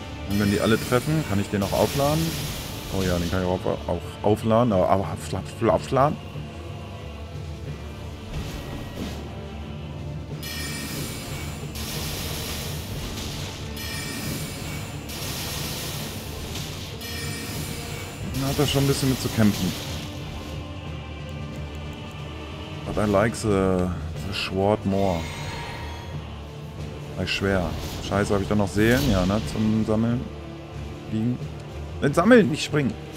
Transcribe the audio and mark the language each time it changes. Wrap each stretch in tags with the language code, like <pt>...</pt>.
<de>Und wenn die alle treffen, kann ich den auch aufladen? Oh ja, den kann ich auch aufladen, aber aufladen? Hat er schon ein bisschen mit zu kämpfen.</de> <en>But I like the sword more.</en> <de>Sei schwer. Scheiße, habe ich da noch Seelen? Ja, ne? Zum Sammeln. Liegen. Nicht sammeln, nicht springen.</de>